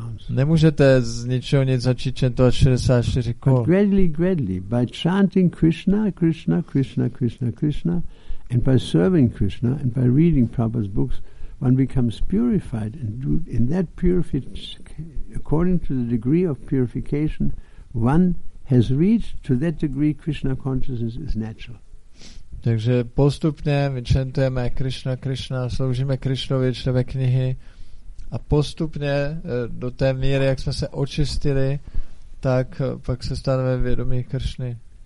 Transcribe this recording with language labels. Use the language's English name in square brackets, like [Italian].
[Czech] Nemůžete z ničeho nic začít čentovat 64 kol. [English] But gradually, by chanting Krishna, Krishna, Krishna, Krishna, Krishna, and by serving Krishna, and by reading Prabhupada's books, one becomes purified, and in that purification, according to the degree of purification, one has reached to that degree Krishna consciousness is natural. [Czech] Takže postupně my čentujeme Krishna, Krishna, sloužíme Krishnovi, čteme knihy a postupně do té míry, jak jsme se očistili, tak pak se staneme vědomí Krishny.